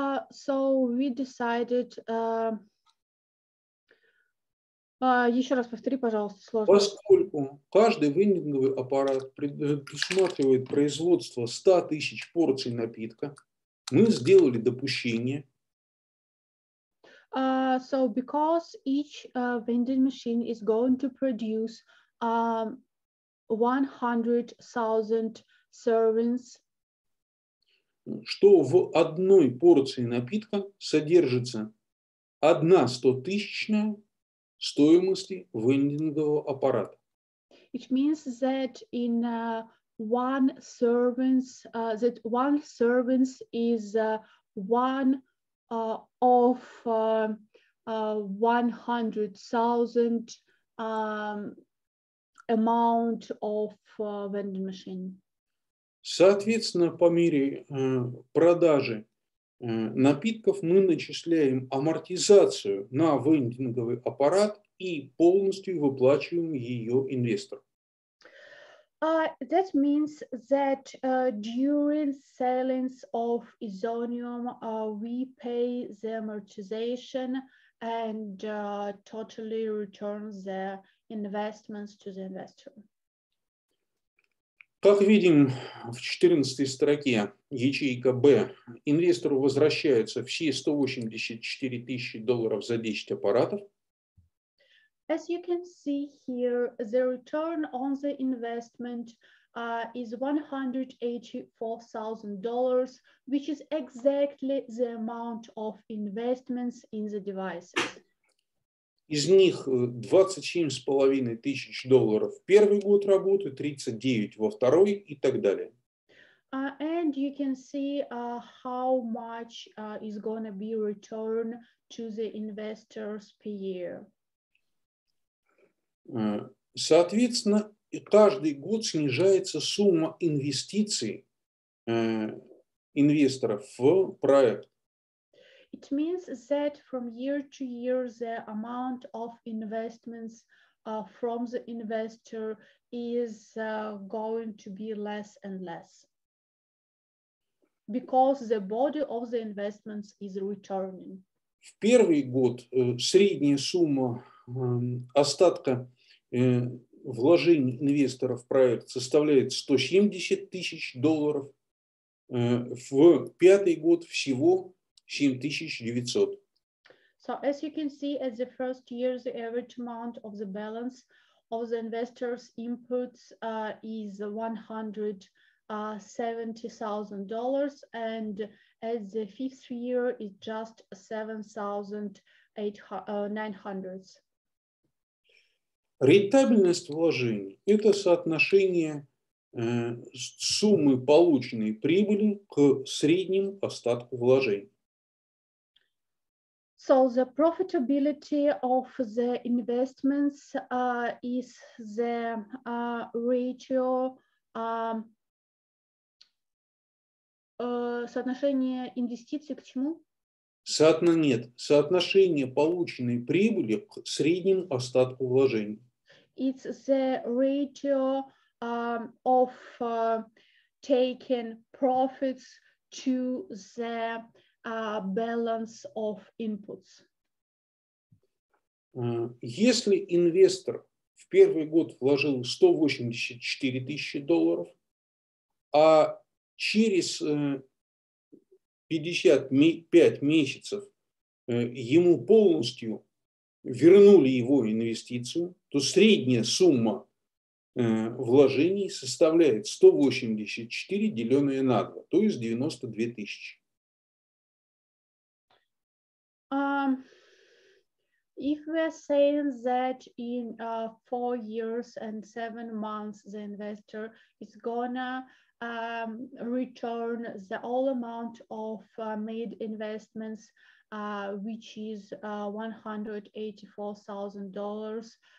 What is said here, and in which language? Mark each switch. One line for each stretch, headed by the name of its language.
English: So we decided...
Russian: еще раз повтори, пожалуйста, сложность. Поскольку каждый вендинговый аппарат предусматривает производство 100 тысяч порций напитка, мы сделали допущение.
English: So because each vending machine is going to produce 100,000 servings,
Russian: что в одной порции напитка содержится одна 100-тысячная стоимости вендингового аппарата.
English: It means that in one servings that one servings is one of 100,000 amount of vending machine.
Russian: Соответственно, по мере продажи напитков мы начисляем амортизацию на вендинговый аппарат и полностью выплачиваем ее инвестору.
English: That means that during sales of Isonium, we pay the amortization and totally return the investments to the investor.
Russian: Как видим в 14 строке ячейка Б, инвестору возвращаются все 184 тысячи долларов за 10 аппаратов.
English: As you can see here, the return on the investment is $184,000, which is exactly the amount of investments in the devices.
Russian: Из них 27,5 тысяч долларов в первый год работы, 39 во второй и так далее.
English: And you can see how much is going to be returned to the investors per year.
Russian: Соответственно, каждый год снижается сумма инвестиций инвесторов в проект.
English: It means that from year to year, the amount of investments from the investor is going to be less and less because the body of the investments is returning.
Russian: В первый год средняя сумма остатка вложений инвесторов в проект составляет 170 тысяч долларов. В пятый год всего 7900.
English: So as you can see, at the first year, the average amount of the balance of the investors' inputs is $170,000, and at the fifth year, it's just $7,900.
Russian: Рентабельность вложений – это соотношение суммы полученной прибыли к среднему остатку вложений.
English: So the profitability of the investments is the ratio,
Russian: соотношение инвестиций к чему? Нет, соотношение полученной прибыли к среднему остатку вложений.
English: It's the ratio of taking profits to the balance of inputs.
Russian: Если инвестор в первый год вложил 184 тысячи долларов, а через 55 месяцев ему полностью вернули его инвестицию, то средняя сумма вложений составляет 184 деленное на 2, то есть 92 тысячи.
English: If we are saying that in 4 years and 7 months the investor is gonna return the all amount of made investments, which is $184,000.